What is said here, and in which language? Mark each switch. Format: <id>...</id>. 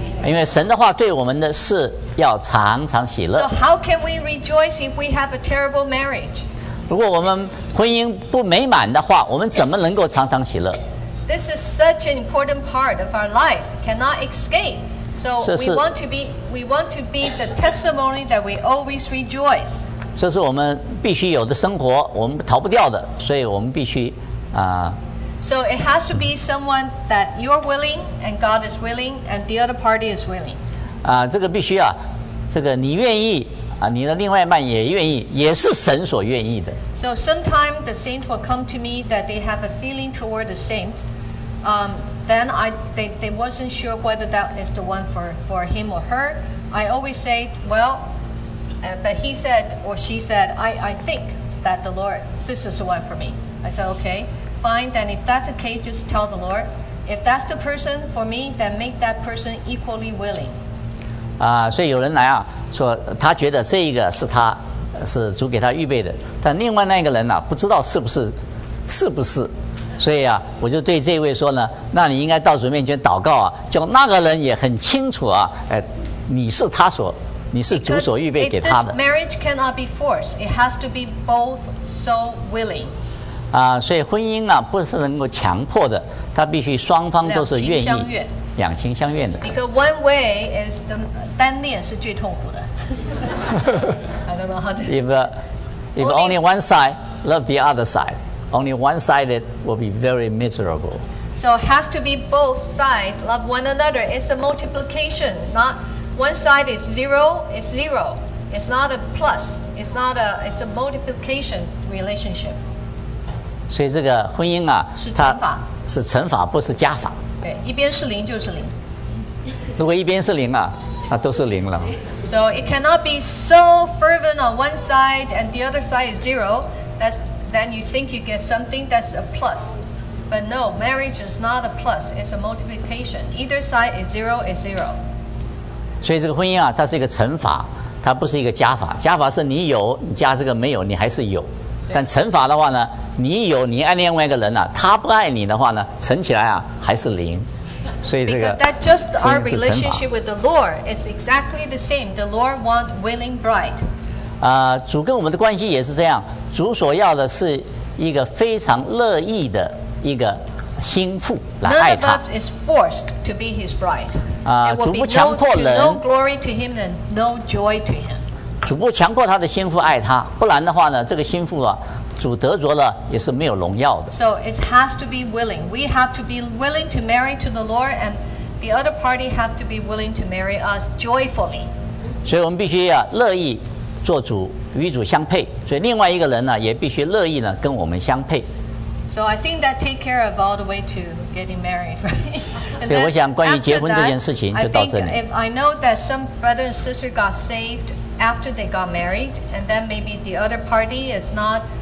<zh>因为神的话对我们的事要常常喜乐。</zh> <en>So how can we rejoice if we have a terrible marriage?</en> <zh>如果我们婚姻不美满的话，我们怎么能够常常喜乐？</zh> <en>This is such an important part of our life. Cannot escape. So we want to be the testimony that we always rejoice.</en> <zh>这是我们必须有的生活，我们逃不掉的，所以我们必须啊。</zh> <en>So it has to be someone that you're willing and God is willing and the other party is willing.</en> <zh>啊，这个必须啊，这个你愿意啊，你的另外一半也愿意，也是神所愿意的。</zh> <en>So sometimes the saints will come to me that they have a feeling toward the saints. Then they wasn't sure whether that is the one for him or her. I always say, well, but he said or she said, I think that the Lord, this is the one for me. I said, okay, fine. Then if that's the case, just tell the Lord. If that's the person for me, then make that person equally willing.</en> <zh>啊，所以有人来啊，说他觉得这一个是他。是主给他预备的，但另外那个人呢、啊，不知道是不是，是不是？所以啊，我就对这位说呢，那你应该到主面前祷告啊，叫那个人也很清楚啊，你是他所，你是主所预备给他的。</zh> <en>This marriage cannot be forced; it has to be both so willing.</en> <zh>啊，所以婚姻呢、啊，不是能够强迫的，他必须双方都是愿意。两情相悦。两情相悦的。</zh> <en>Because one way is the</en> <zh>单恋是最痛苦的。</zh> <en>I don't know how to. If only one side love the other side, only one sided will be very miserable. So it has to be both sides love one another. It's a multiplication, not one side is zero, it's zero. It's not a plus. It's a multiplication relationship.</en> <zh>所以这个婚姻啊，是乘法，是乘法，不是加法。对，一边是零就是零。如果一边是零啊，那都是零了。</zh> <en>So it cannot be so fervent on one side and the other side is zero. Then you think you get something that's a plus. But no, marriage is not a plus. It's a multiplication. Either side is zero is zero.</en> <zh>所以这个婚姻啊，它是一个乘法，它不是一个加法。加法是你有，你加这个没有，你还是有。但乘法的话呢，你有你爱另外一个人了、啊，他不爱你的话呢，乘起来啊还是零。所以这个</zh> <en>that just our relationship with the Lord is exactly the same. The Lord wants willing bride.</en> <zh>主跟我们的关系也是这样。主所要的是一个非常乐意的一个心腹来爱他。</zh> <en>None of us is forced to be his bride.</en> <zh>主不强迫人。</zh> <en>No glory to him and no joy to him.</en> <zh>主不强迫他的心腹爱他，不然的话呢，这个心腹啊。主得着了也是没有荣耀的。</zh> <en>So it has to be willing. We have to be willing to marry to the Lord, and the other party have to be willing to marry us joyfully.</en> <zh>所以我们必须要乐意做主与主相配。所以另外一个人呢，也必须乐意呢跟我们相配。</zh> <en>So I think that take care of all the way to getting married, right?</en> <zh>所以我想关于结婚这件事情就到这里。</zh> <en>I think if I know that some brother and sister got saved after they got married, and then maybe the other party is not.</en>